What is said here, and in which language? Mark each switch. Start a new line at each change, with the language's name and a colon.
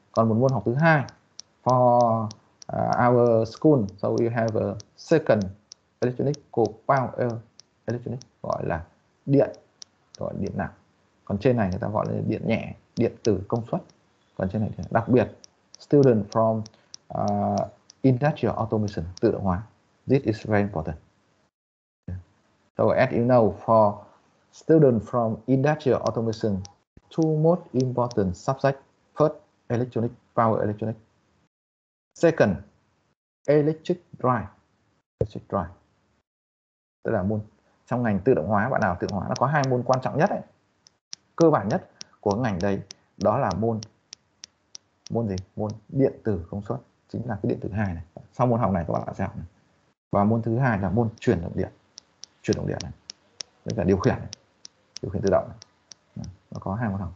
Vietnamese: Còn một môn học thứ hai
English: for our school, so you have a second electronic called power electronic,
Vietnamese: gọi là điện, gọi là điện nặng. Còn trên này người ta gọi là điện nhẹ, điện tử công suất. Còn trên này thì đặc biệt
English: student from industrial automation,
Vietnamese: tự động hóa.
English: This is very important. So as you know, for student from industrial automation, two most important subject: first, electronic power electronic; second, electric drive. Electric drive.
Vietnamese: Tức là môn trong ngành tự động hóa, bạn nào tự động hóa nó có hai môn quan trọng nhất ấy, cơ bản nhất của ngành đây, đó là môn điện tử công suất, chính là cái điện tử hai này. Sau môn học này các bạn sẽ học này. Và môn thứ hai là môn chuyển động điện này, tức là điều khiển này, điều khiển tự động này. Nó có hai môn học.